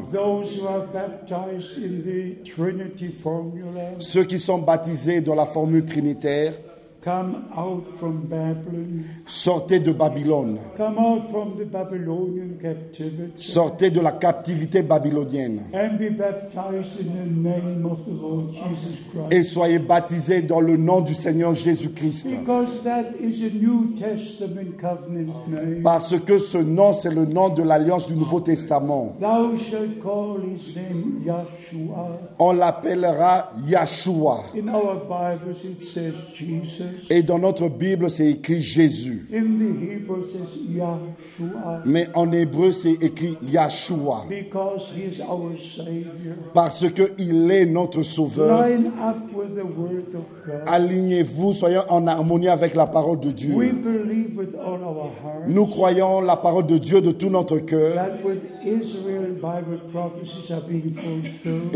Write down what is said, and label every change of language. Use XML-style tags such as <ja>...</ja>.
<en>Those who are baptized in the Trinity formula,</en> <fr>ceux qui sont baptisés dans la formule trinitaire,</fr> <en>come out from Babylon.</en> <fr>Sortez de Babylone.</fr> <en>Come out from the Babylonian captivity.</en> <fr>Sortez de la captivité babylonienne.</fr> <en>And be baptized in the name of the Lord Jesus Christ.</en> <fr>Et soyez baptisés dans le nom du Seigneur Jésus-Christ.</fr> <en>Because that is a New Testament covenant name.</en> <fr>Parce que ce nom, c'est le nom de l'alliance du Nouveau Testament.</fr> <en>Thou shalt call his name Yahshua.</en> <fr>On l'appellera Yahshua.</fr> <en>In our Bibles, it says Jesus.</en> <fr>Et dans notre Bible, c'est écrit Jésus.</fr> <en>In the Hebrew, it says Yahshua.</en> <fr>Mais en hébreu, c'est écrit Yahshua.</fr> <en>Because he is our Savior.</en> <fr>Parce qu'il est notre Sauveur.</fr> <en>Line up with the word of God.</en> <fr>Alignez-vous, soyez en harmonie avec la parole de Dieu.</fr> <en>We believe with all our hearts.</en> <fr>Nous croyons la parole de Dieu de tout notre cœur.</fr> <en>That with Israel, Bible prophecies are being fulfilled.</en>